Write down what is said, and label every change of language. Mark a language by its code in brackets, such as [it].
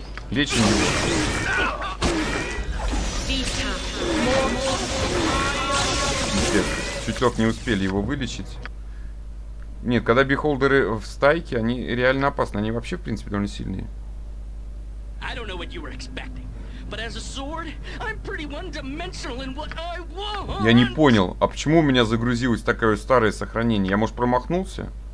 [ru] Лечим его. Чуть-чуть не успели его вылечить. Нет, когда бихолдеры в стайке, они реально опасны. Они вообще, в принципе, довольно сильные. [en] I don't know what you were expecting, but as a sword, I'm pretty one-dimensional in what I want. [ru] Я не понял, а почему у меня загрузилось такое старое сохранение? Я, может, промахнулся?